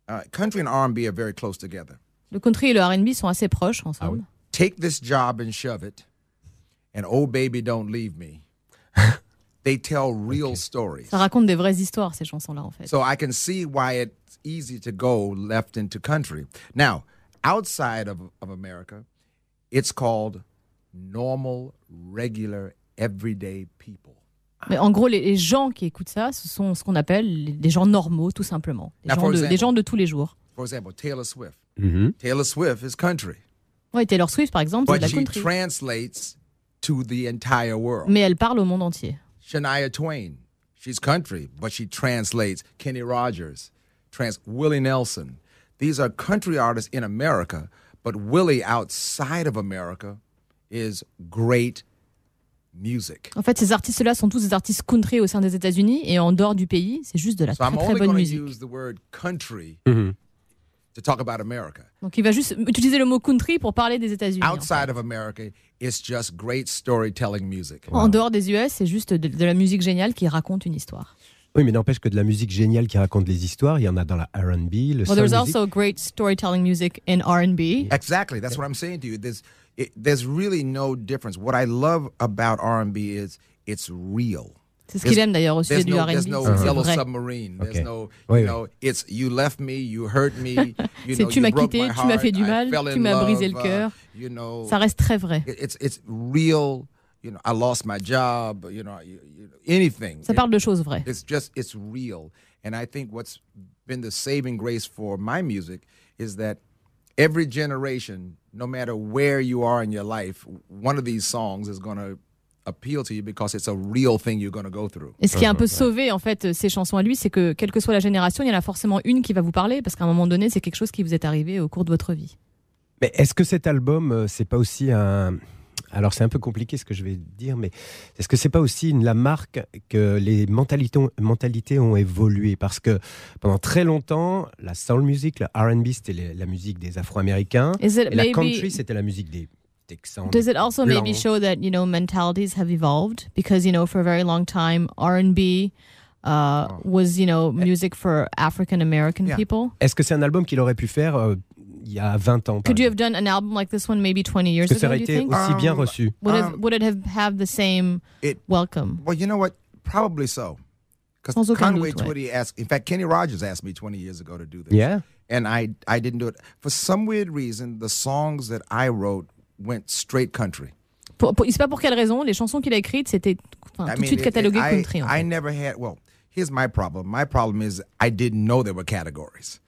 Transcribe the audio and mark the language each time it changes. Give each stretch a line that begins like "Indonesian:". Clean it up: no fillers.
English: Country and R&B are very close together.
French: Le country et le R&B sont assez proches ensemble.
English: Take this job and shove it, and oh baby, don't leave me. They tell real stories.
French: Ça raconte des vraies histoires, ces chansons-là, en fait.
English: So I can see why it's easy to go left into country. Now, outside of America, it's called normal, regular, everyday people.
French: Mais en gros, les gens qui écoutent ça, ce sont ce qu'on appelle les gens normaux, tout simplement. Les gens de tous les jours.
English: For example, Taylor Swift. Mm-hmm. Taylor Swift is country.
French: Ouais, Taylor Swift, par exemple,
English: but
French: c'est de la country.
English: But she translates to the entire world.
French: Mais elle parle au monde entier.
English: Shania Twain, she's country, but she translates. Kenny Rogers, Willie Nelson. These are country artists in America, but Willie outside of America is great music.
French: En fait, ces artistes-là sont tous des artistes country au sein des États-Unis et en dehors du pays, c'est juste de la très bonne musique.
English: So I'm only going to use the word country to talk about America.
French: Donc, il va juste utiliser le mot country pour parler des États-Unis.
English: Outside
French: en fait.
English: Of America, it's just great storytelling music.
French: Wow. En dehors des US, c'est juste de la musique géniale qui raconte une histoire. Oui, mais n'empêche que de la musique géniale qui raconte des histoires, il y en a dans la R&B, le soul music.
English: There's also great storytelling music in R&B. Exactly, that's what I'm saying to you. There's really no difference. What I love about R&B is it's real. C'est ce qu'il aime d'ailleurs au sujet du R&B. There's no yellow submarine. There's no, you know, it's you left me, you hurt me.
French: C'est tu m'as quitté, tu m'as fait du mal, tu m'as brisé le cœur. Ça reste très vrai.
English: It's real. You know, I lost my job, you know, anything.
French: Ça parle de choses vraies.
English: It's real. And I think what's been the saving grace for my music is that every generation, no matter where you are in your life, one of these songs is going to appeal to you because it's a real thing you're going to go through.
French: Et ce qui a un peu sauvé, en fait, ces chansons à lui, c'est que, quelle que soit la génération, il y en a forcément une qui va vous parler parce qu'à un moment donné, c'est quelque chose qui vous est arrivé au cours de votre vie. Mais est-ce que cet album, c'est pas aussi un... Alors, c'est un peu compliqué ce que je vais dire, mais est-ce que ce n'est pas aussi la marque que les mentalités ont évolué ? Parce que pendant très longtemps, la soul music, la R&B, c'était la musique des Afro-Américains. La country, c'était la musique des Texans.
English: Does it also maybe show that, you know, mentalities have evolved? Because, you know, for a very long time, R&B was, you know, music for African-American people.
French: Est-ce que c'est un album qu'il aurait pu faire il y a 20 ans.
English: Could you have done an album like this one maybe 20 years ago, do you think?
French: Ça aurait été aussi bien reçu.
English: Would it have the same welcome? Well, you know what? Probably so. Because Conway Twitty asked, in fact, Kenny Rogers asked me 20 years ago to do this. Yeah. And I didn't do it. For some weird reason, the songs that I wrote went straight country.
French: Il sait pas pour quelle raison, les chansons qu'il a écrites, c'était tout de suite catalogué country.
English: I never had, well, here's my problem. My problem is I didn't know there were categories.